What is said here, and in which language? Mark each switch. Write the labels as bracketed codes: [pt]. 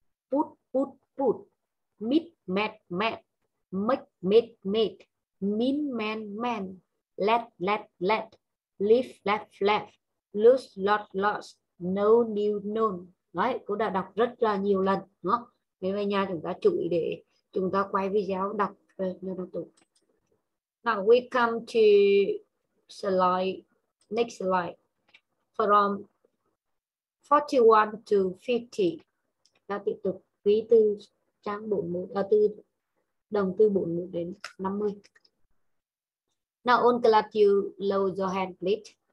[en] Put, put, put. Meet, met, met. Make, meet, meet. Mean, man, man. Let, let, let. Leave, left, left. Lose, lost, lost. No, new, known. [vi] Đấy, cô đã đọc rất là nhiều lần. Đúng không? Thế về nhà chúng ta chú ý để chúng ta quay video đọc. [en] Now we come to slide, next slide. From 41 to 50. [vi] Ta tiếp tục ký từ trang 41, từ đồng từ 41 đến 50. [en] Now on class you lower your hand please.